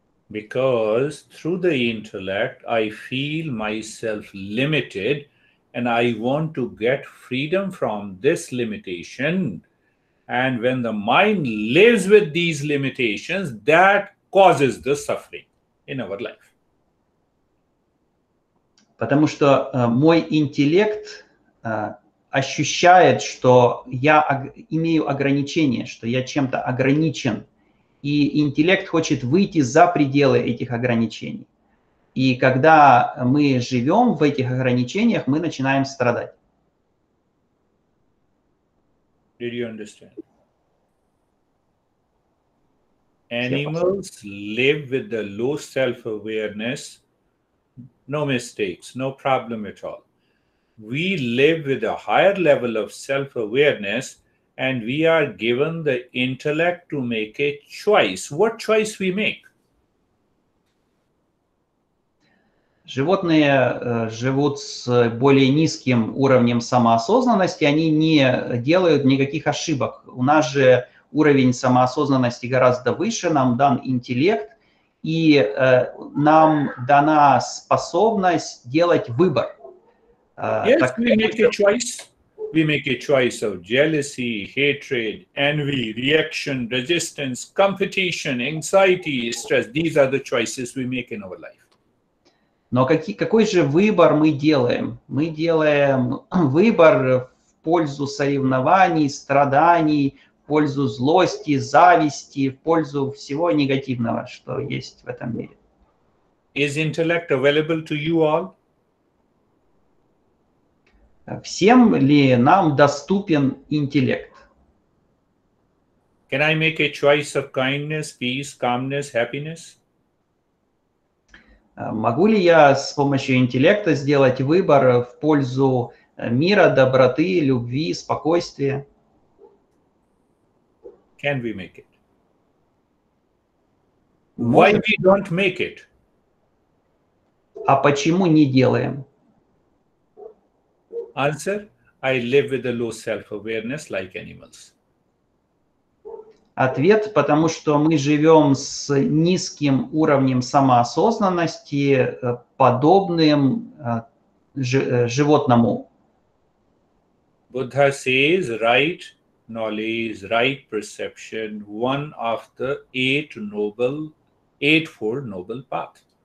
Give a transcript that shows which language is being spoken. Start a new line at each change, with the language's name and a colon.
English: Because through the intellect, I feel myself limited, and I want to get freedom from this limitation. And when the mind lives with these limitations, that causes the suffering in our life.
Russian: Потому что мой интеллект ощущает, что я имею ограничения, что я чем-то ограничен. И интеллект хочет выйти за пределы этих ограничений. И когда мы живем в этих ограничениях, мы начинаем страдать.
English: Did you understand? Animals live with the low self-awareness, no mistakes, no problem at all. We live with a higher level of self-awareness, and we are given the intellect to make a choice. What choice we make?
Russian: Животные живут с более низким уровнем самоосознанности, они не делают никаких ошибок. У нас же уровень самоосознанности гораздо выше, нам дан интеллект, и нам дана способность делать выбор.
English: Yes, так, we make a choice. We make a choice of jealousy, hatred, envy, reaction, resistance, competition, anxiety, stress. These are the choices we make in our life.
Russian: Но какой же выбор мы делаем? Мы делаем выбор в пользу соревнований, страданий, в пользу злости, зависти, в пользу всего негативного, что есть в этом мире.
English: Is intellect available to you all?
Russian: Всем ли нам доступен интеллект?
English: Can I make a choice of kindness, peace, calmness, happiness?
Russian: Могу ли я с помощью интеллекта сделать выбор в пользу мира, доброты, любви, спокойствия?
English: Can we make it? Why we don't make it?
Russian: А почему не делаем?
English: Answer: I live with a low self-awareness, like animals.
Russian: Ответ: потому что мы живем с низким уровнем самоосознанности, подобным животному.
English: Buddha says, right knowledge, right perception, one of the eightfold noble path.